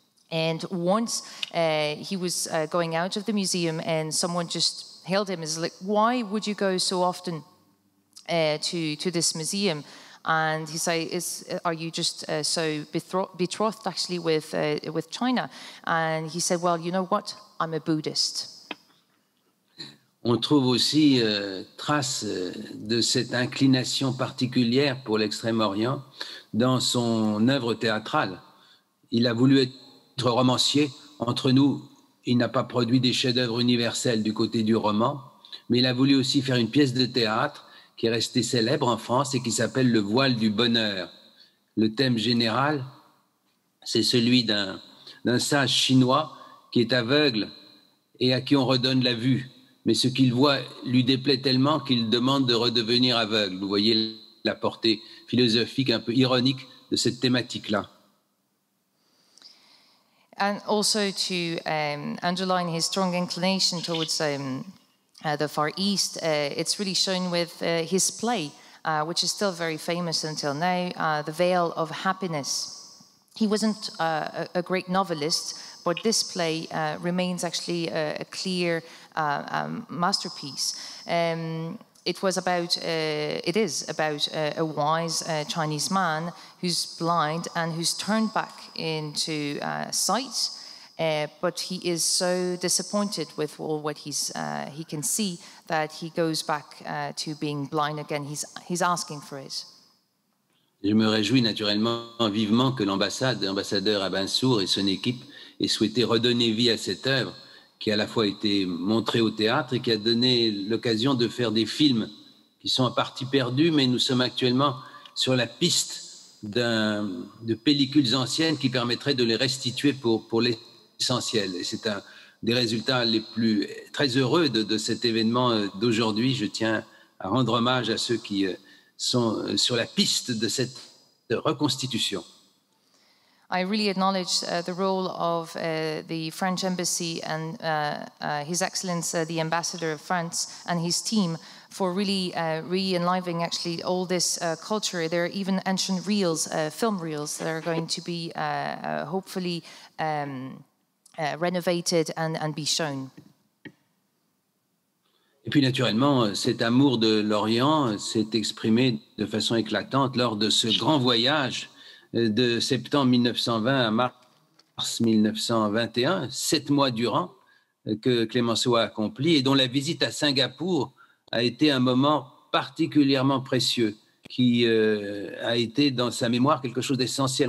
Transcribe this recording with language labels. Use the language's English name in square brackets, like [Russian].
[English] And once he was going out of the museum, and someone just hailed him, is like, "Why would you go so often to this museum?" And he said, "Are you just so betrothed actually with China?" And he said, "Well, you know what? I'm a Buddhist." [French] On trouve aussi trace de cette inclination particulière pour l'Extrême-Orient dans son œuvre théâtrale. Il a voulu être romancier. Entre nous, il n'a pas produit des chefs-d'œuvre universels du côté du roman, mais il a voulu aussi faire une pièce de théâtre qui est resté célèbre en France et qui s'appelle « Le voile du bonheur ». Le thème général, c'est celui d'un sage chinois qui est aveugle et à qui on redonne la vue. Mais ce qu'il voit lui déplaît tellement qu'il demande de redevenir aveugle. Vous voyez la portée philosophique un peu ironique de cette thématique-là. [English] And also to underline his strong inclination towards the Far East, it's really shown with his play, which is still very famous until now, The Veil of Happiness. He wasn't a great novelist, but this play remains actually a clear masterpiece. It is about a wise Chinese man who's blind and who's turned back into sight. But he is so disappointed with all what he can see that he goes back to being blind again. He's asking for it. [French] Je me réjouis naturellement vivement que l'ambassadeur Abinsour et son équipe aient souhaité redonner vie à cette œuvre qui a à la fois été montrée au théâtre et qui a donné l'occasion de faire des films qui sont en partie perdus, mais nous sommes actuellement sur la piste de pellicules anciennes qui permettraient de les restituer pour les essentiel. Et c'est un des résultats les plus très heureux de cet événement d'aujourd'hui. Je tiens à rendre hommage à ceux qui sont sur la piste de cette reconstitution. [English] I really acknowledge the role of the French embassy and His Excellency the Ambassador of France and his team for really re-enlivening actually all this culture. There are even ancient reels, film reels, that are going to be hopefully renovated and be shown. [French] Et puis naturellement, cet amour de l'Orient s'est exprimé de façon éclatante lors de ce grand voyage de septembre 1920 à mars 1921, 7 mois durant, que Clemenceau a accompli et dont la visite à Singapour a été un moment particulièrement précieux, qui a été dans sa mémoire quelque chose d'essentiel.